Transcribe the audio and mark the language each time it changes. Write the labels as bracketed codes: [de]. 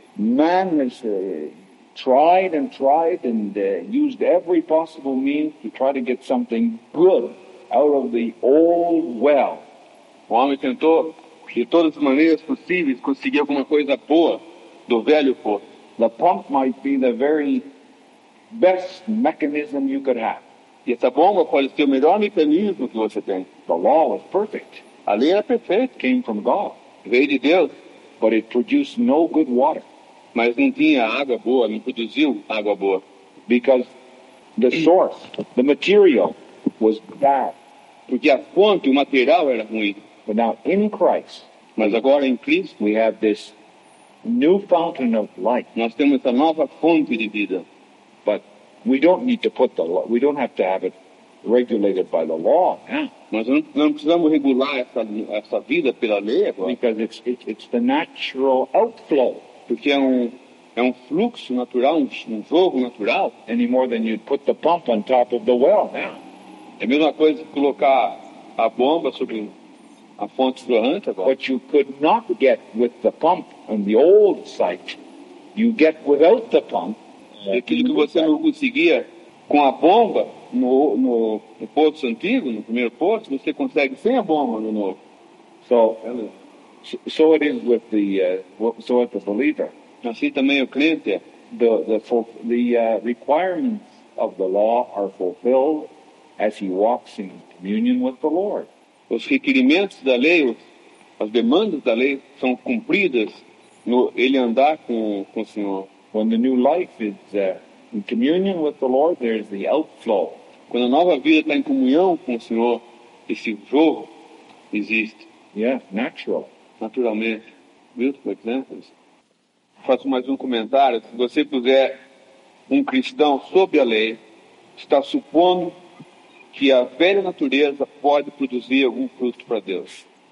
[en] Man has tried and tried and used every possible means to try to get something good out of the old well. [pt] O homem tentou, de todas as maneiras possíveis, conseguir alguma coisa boa do velho poço. [en] The pump might be the very best mechanism you could have. [pt] E essa bomba pode ser o melhor mecanismo que você tem. [en] The law was perfect. [pt] A lei era perfeita. [en] Came from God. [pt] Veio de Deus. [en] But it produced no good water. [pt] Mas não tinha água boa, não produziu água boa. [en] Because the source, the material, was bad. [pt] Porque a fonte, o material era ruim. [en] But now in Christ, [pt] mas agora em Cristo, [en] we have this new fountain of light. [pt] Nós temos a nova fonte de vida. [en] But we don't need to put the law, we don't have to have it regulated by the law. [pt] Mas não precisamos regular essa vida pela lei agora. [en] Because it's the natural outflow. [pt] Porque é um fluxo natural, um jogo natural. [en] Any more than you'd put the pump on top of the well now. [pt] É a mesma coisa que colocar a bomba sobre a fonte jorrante agora. [en] What you could not get with the pump on the old site, you get without the pump. [pt] É aquilo que você não conseguia com a bomba no poço antigo, no primeiro poço, você consegue sem a bomba no novo. [en] So it is with the believer. [pt] Assim também o crente é. [en] The requirements of the law are fulfilled as he walks in communion with the Lord. [pt] Os requerimentos da lei, as demandas da lei são cumpridas no ele andar com o Senhor. [en] When the new life is in communion with the Lord, there is the outflow. [pt] Quando a nova vida está em comunhão com o Senhor, esse jorro existe. [en] Yeah, natural. [pt] Naturalmente. Milton, por exemplo, faço mais um comentário. Se você puser um cristão sob a lei, está supondo que a velha natureza pode produzir algum fruto para Deus.